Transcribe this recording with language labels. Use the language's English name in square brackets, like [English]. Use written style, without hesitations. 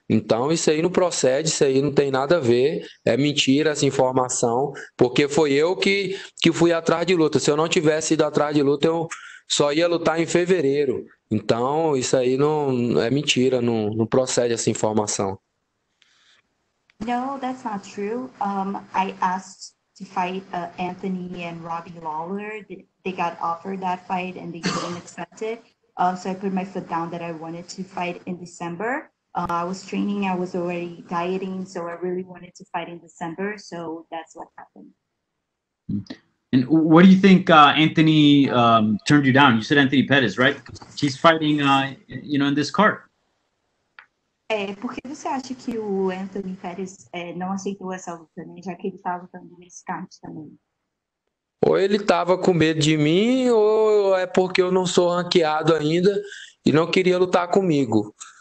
[Portuguese] Então isso aí não procede, isso aí não tem nada a ver, é mentira essa informação, porque foi eu que fui atrás de luta. Se eu não tivesse ido atrás de luta, eu só ia lutar em fevereiro. Então isso aí não é mentira, não procede essa informação. [English] No, that's not true. I asked to fight Anthony and Robbie Lawler. They got offered that fight and they didn't accept it. So I put my foot down that I wanted to fight in December. I was training, I was already dieting, so I really wanted to fight in December. So that's what happened. And what do you think Anthony turned you down? You said Anthony Pettis, right? He's fighting, in this card. [Portuguese] Por que você acha que o Anthony Pérez não aceitou essa luta, né? Já que ele estava lutando nesse card também? Ou ele estava com medo de mim, ou é porque eu não sou ranqueado ainda e não queria lutar comigo.